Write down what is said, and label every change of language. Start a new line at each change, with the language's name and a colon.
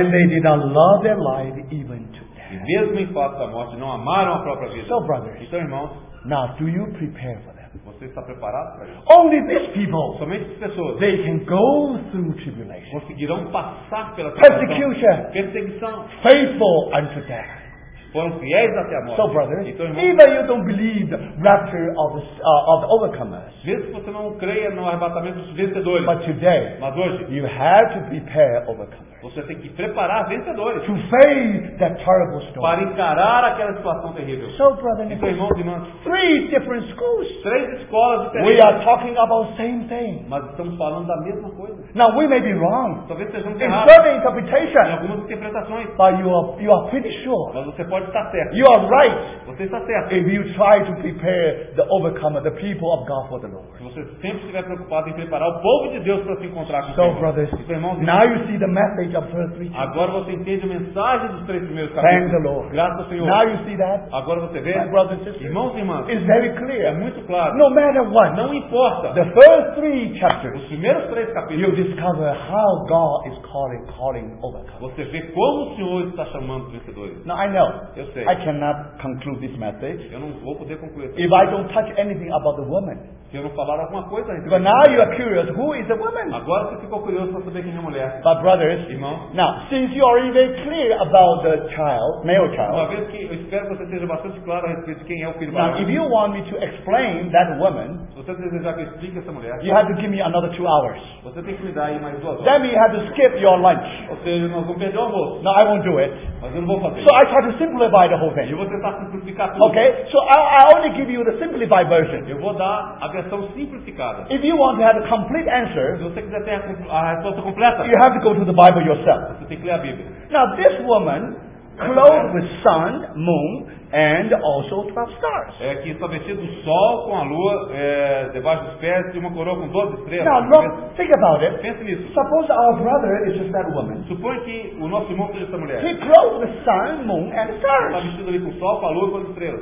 English: And they did not love their life even to
Portuguese: e mesmo em face da morte não amaram a própria vida.
English: So, brothers,
Portuguese: então, irmãos,
English: now, do you prepare for them?
Portuguese: Você está preparado para isso?
English: Only these people,
Portuguese: somente essas pessoas,
English: they can go through tribulation,
Portuguese: conseguirão passar pela
English: persecution,
Portuguese: perseguição,
English: faithful unto death.
Portuguese: Foram fiéis até a morte.
English: So, brothers,
Portuguese: então, irmãos,
English: even you don't believe the rapture of the overcomers,
Portuguese: mesmo você não creia no arrebatamento dos vencedores,
English: but today,
Portuguese: mas hoje,
English: you have to prepare overcomers.
Portuguese: Você tem que preparar vencedores.
English: To face that terrible storm.
Portuguese: Para encarar aquela situação terrível.
English: So, brother,
Portuguese: então, irmãos e irmãs,
English: three different schools.
Portuguese: Três escolas diferentes.
English: We are talking about same thing.
Portuguese: Mas estamos falando da mesma coisa.
English: Now we may be wrong.
Portuguese: Talvez sejamos errados.
English: In certain interpretations.
Portuguese: Em algumas interpretações.
English: But you are pretty sure.
Portuguese: Mas você pode está certo.
English: You are right.
Portuguese: Você está certo.
English: If you try to prepare the overcomer, the people of God for the Lord.
Portuguese: Se você sempre estiver preocupado em preparar o povo de Deus para se encontrar com o Senhor.
English: So brothers, now you see the message of first three.
Portuguese: Agora você entende a mensagem dos três primeiros capítulos.
English: Thank the Lord.
Portuguese: Graças ao Senhor.
English: Now you see that.
Portuguese: Agora você vê.
English: Brothers and sisters.
Portuguese: Irmãos e irmãs.
English: It's very clear.
Portuguese: É muito claro.
English: No matter what.
Portuguese: Não importa.
English: The first three chapters.
Portuguese: Os primeiros três capítulos.
English: You discover how God is calling overcomers.
Portuguese: Você vê como o Senhor está chamando vencedores.
English: Now I know.
Portuguese: Eu sei.
English: I cannot conclude this message.
Portuguese: Eu não vou poder concluir.
English: If I don't touch anything about the woman.
Portuguese: Se eu não falar alguma coisa.
English: But now you are curious. Who is the woman?
Portuguese: Agora você ficou curioso para saber quem é a mulher.
English: But brothers,
Portuguese: irmão.
English: Now, since you are very clear about the child, male child.
Portuguese: Uma vez que eu espero que você seja bastante claro a respeito de quem é o filho.
English: Now, if you want me to explain that woman.
Portuguese: Você deseja que eu explique essa mulher.
English: You have to give me another 2 hours.
Portuguese: Você tem que me dar aí mais 2 horas.
English: Then you have to skip your lunch.
Portuguese: Ou seja, não vou perder o almoço.
English: No, I won't do it.
Portuguese: Mas eu não vou fazer.
English: So I try to simplify the whole thing.
Portuguese: Eu vou tentar simplificar tudo.
English: Okay, so I only give you the simplified version.
Portuguese: Eu vou dar a versão simplificada.
English: If you want to have a complete answer,
Portuguese: se você quiser ter a resposta completa,
English: you have to go to the Bible yourself.
Portuguese: Você tem que ler a Bíblia.
English: Now this woman, clothed with sun, moon, and also 12 stars.
Portuguese: É que está vestido do sol com a lua debaixo dos pés e uma coroa com 12 estrelas.
English: Now look, think about it.
Portuguese: Pense nisso.
English: Suppose our brother is just that woman.
Portuguese: Suponha que o nosso irmão seja essa mulher.
English: He clothed with sun, moon, and stars.
Portuguese: Está vestido ali com sol, com a lua e com as estrelas.